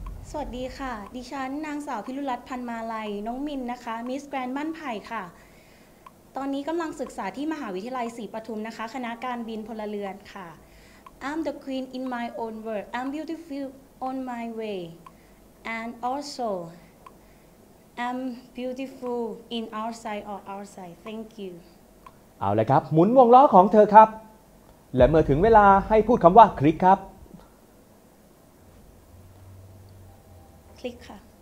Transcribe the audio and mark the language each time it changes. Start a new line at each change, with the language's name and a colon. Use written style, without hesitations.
Thai: สวัสดีค่ะดิฉันนางสาวพิรุณรัตน์พันมาลัยน้องหมิ่นนะคะมิสแกรนด์บ้านไผ่ค่ะตอนนี้กำลังศึกษาที่มหาวิทยาลัยศรีปทุมนะคะคณะการบินพลเรือนค่ะ
English: I'm the queen in my own world. I'm beautiful on my way. And also, I'm beautiful in outside or outside. Thank you.
Thai: เอาละครับหมุนวงล้อของเธอครับและเมื่อถึงเวลาให้พูดคำว่าคลิกครับ คลิกค่ะ